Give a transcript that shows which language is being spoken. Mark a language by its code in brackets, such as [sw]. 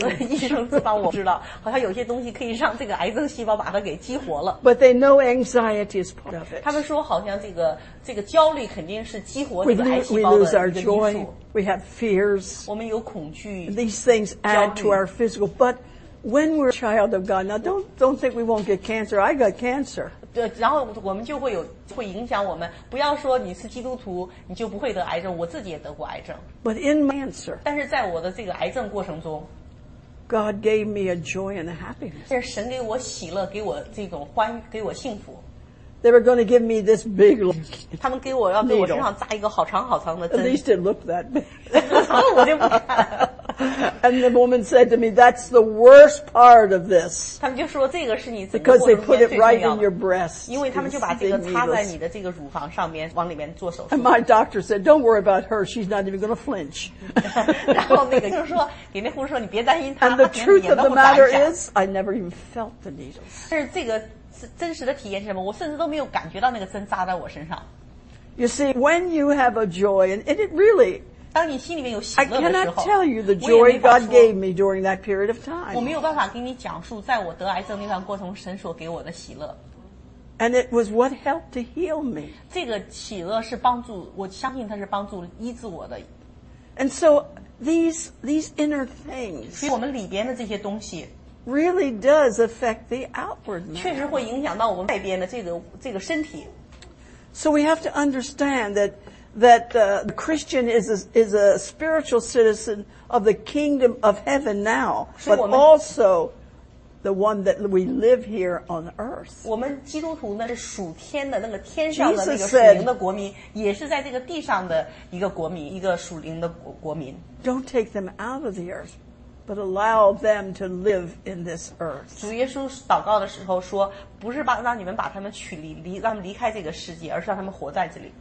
[zh] 医生知道，我知道，好像有些东西可以让这个癌症细胞把它给激活了。 [en] But they know anxiety is part of it. [zh] 他们说，好像这个焦虑肯定是激活这个癌细胞的因素。 [en] We lose our joy. We have fears. [zh] 我们有恐惧。 [en] These things add to our physical. But when we're a child of God, now don't think we won't get cancer. I got cancer. [zh] 对，然后我们就会有会影响我们。不要说你是基督徒，你就不会得癌症。我自己也得过癌症。 [en] But in my cancer, [zh] 但是在我的这个癌症过程中 [en] ，God gave me a joy and a happiness. [zh] 这是神给我喜乐，给我这种欢，给我幸福。 [en] They were going to give me this big. [zh] 他们给我要在我身上扎一个好长好长的针。 [en] At least it looked that big. [zh] 我就不看。 [en] And the woman said to me, that's the worst part of this. [zh] 他们就说这个是你 [en] Because they put it right in your breast. [zh] 因为他们就把这个插在你的这个乳房上面往里面做手术。 [en] And my doctor said, don't worry about her. She's not even going to flinch. [zh] 然后那个就是说给那护士说你别担心她 [en] And the truth of the matter is, I never even felt the needles. [zh] 但是这个真实的体验是什么我甚至都没有感觉到那个针扎在我身上。 [en] You see, when you have a joy, and it really, I cannot tell you the joy God gave me during that period of time. [zh] 我没有办法给你讲述在我得癌症那段过程神所给我的喜乐。 [en] And it was what helped to heal me. [zh] 这个喜乐是帮助，我相信它是帮助医治我的。 [en] And so these inner things, [zh] 所以我们里边的这些东西 [en] really does affect the outward man. [zh] 确实会影响到我们外边的这个身体。 [en] So we have to understand that the Christian is a spiritual citizen of the kingdom of heaven now, but also the one that we live here on earth. [zh] 我们基督徒呢是属天的那个天上的那个属灵的国民，也是在这个地上的一个国民，一个属灵的国民。 [en] Don't take them out of the earth, but allow them to live in this earth. [zh] 主耶稣祷告的时候说。不是把让你们把他们取离让他们离开这个世界而是让他们活在这里